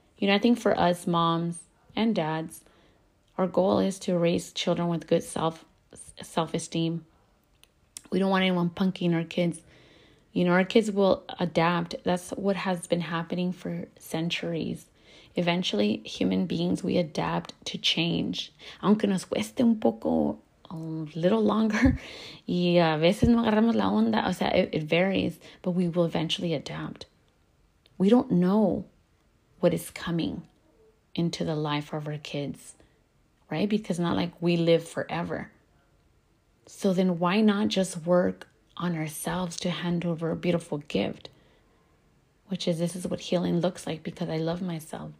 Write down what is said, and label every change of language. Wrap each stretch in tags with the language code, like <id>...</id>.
<en>You know, I think for us moms and dads, our goal is to raise children with good self-esteem. We don't want anyone punking our kids. You know, our kids will adapt. That's what has been happening for centuries. eventually, human beings, we adapt to change.</en> <es>Aunque nos cueste un poco,</es> <en>a little longer,</en> <es>y a veces no agarramos la onda. O sea,</es> <en>it varies, but we will eventually adapt. We don't know what is coming into the life of our kids, right? Because not like we live forever. So then why not just work on ourselves to hand over a beautiful gift, which is, this is what healing looks like, because I love myself.</en>